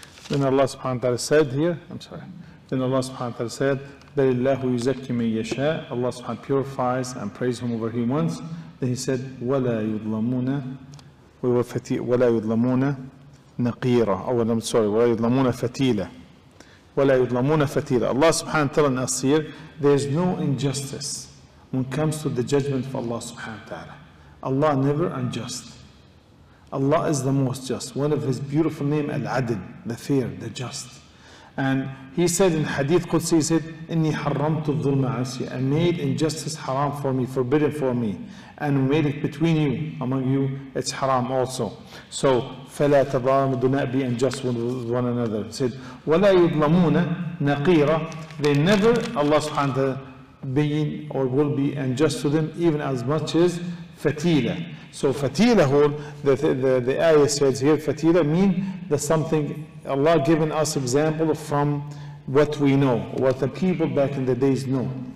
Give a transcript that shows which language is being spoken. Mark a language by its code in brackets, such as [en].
[en] Allah subhanahu wa ta'ala said here, I'm sorry, then Allah subhanahu wa ta'ala said, [ar] بَلِلَّهُ يُزَكِّ مَنْ يَشَاءُ. [en] Allah subhanahu purifies and prays him over he wants. Then he said, [ar] وَلَا يُظْلَمُونَ وَلَا يُظْلَمُونَ نَقِيرًا. [en] Oh, I'm sorry, [ar] وَلَا يُظْلَمُونَ فَتِيلًا. وَلَا يُظْلَمُونَ فَتِيلًا. [en] Allah subhanahu wa ta'ala nasir, there is no injustice when it comes to the judgment of Allah subhanahu wa ta'ala. Allah never unjust. Allah is the most just. One of his beautiful name, Al-Adl, the fair, the just. And he said in Hadith Qudsi, he said, [ar] إِنِّي حَرَّمْتُ الظُّلْمَ عَسِيَ. [en] I made injustice haram for me, forbidden for me. And made it between you, among you, it's haram also. So, [ar] فَلَا تَظَالَمُ. [en] Do not be unjust with one another. He said, [ar] وَلَا يُظْلَمُونَ نَقِيرًا. [en] They never, Allah subhanahu wa ta'ala, being or will be unjust to them, even as much as فَتِيلَ. So fatila, the ayah says here, fatila mean that something Allah given us example from what we know, what the people back in the days know.